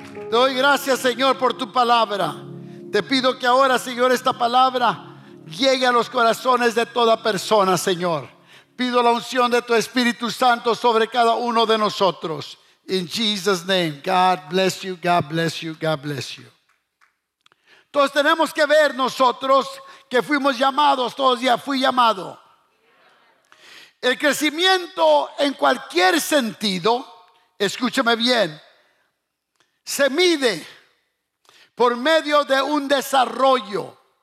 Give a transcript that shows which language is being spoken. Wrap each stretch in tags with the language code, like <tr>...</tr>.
<es>Te doy gracias, Señor, por tu palabra. Te pido que ahora, Señor, esta palabra llegue a los corazones de toda persona, Señor. Pido la unción de tu Espíritu Santo sobre cada uno de nosotros.</es> <en>In Jesus' name, God bless you, God bless you, God bless you.</en> <es>Entonces tenemos que ver nosotros que fuimos llamados, todos ya fui llamado. El crecimiento en cualquier sentido, escúcheme bien, se mide por medio de un desarrollo.</es>